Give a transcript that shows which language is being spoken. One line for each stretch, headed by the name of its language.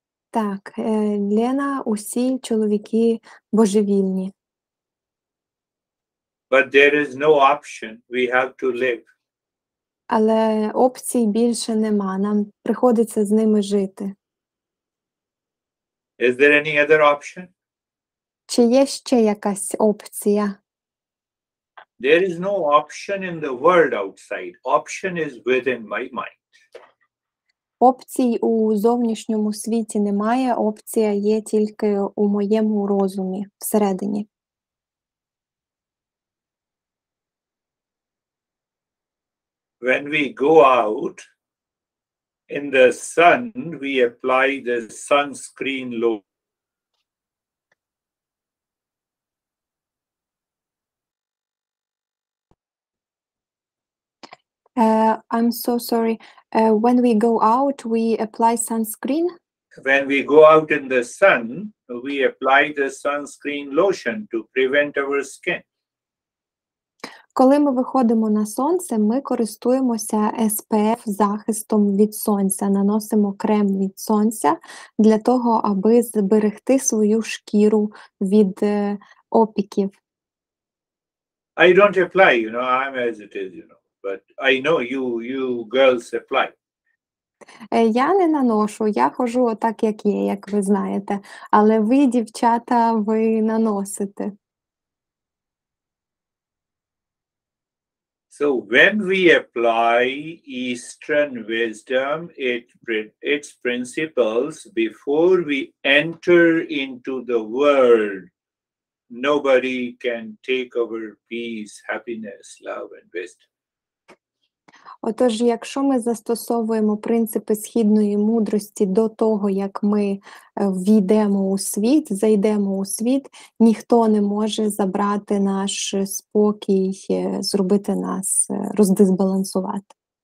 Ukrainian: Так, Лена, усі чоловіки божевільні.
English: But there is no option, we have to live.
Ukrainian: Але опцій більше нема, нам приходиться з ними жити.
English: Is there any other option?
Ukrainian: Чи є ще якась опція?
English: There is no option in the world outside. Option is within my mind.
Ukrainian: Опцій у зовнішньому світі немає, опція є тільки у моєму розумі, всередині.
English: When we go out in the sun, we apply the sunscreen lotion. I'm so sorry. When we go out, we apply sunscreen? When we go out in the sun, we apply the sunscreen lotion to prevent our skin.
Ukrainian: Коли ми виходимо на сонце, ми користуємося SPF захистом від сонця, наносимо крем від сонця для того, аби зберегти свою шкіру від опіків.
English: I don't apply, you know, I'm as it is, you know. But I know you girls apply.
Ukrainian: Я не наношу, я ходжу так, як є, як ви знаєте. Але ви, дівчата, ви наносите.
English: So when we apply Eastern wisdom, its principles, before we enter into the world, nobody can take our peace, happiness, love and wisdom.
Ukrainian: Отож, якщо ми застосовуємо принципи східної мудрості до того, як ми війдемо у світ, зайдемо у світ, ніхто не може забрати наш спокій, зробити нас роздисбалансувати.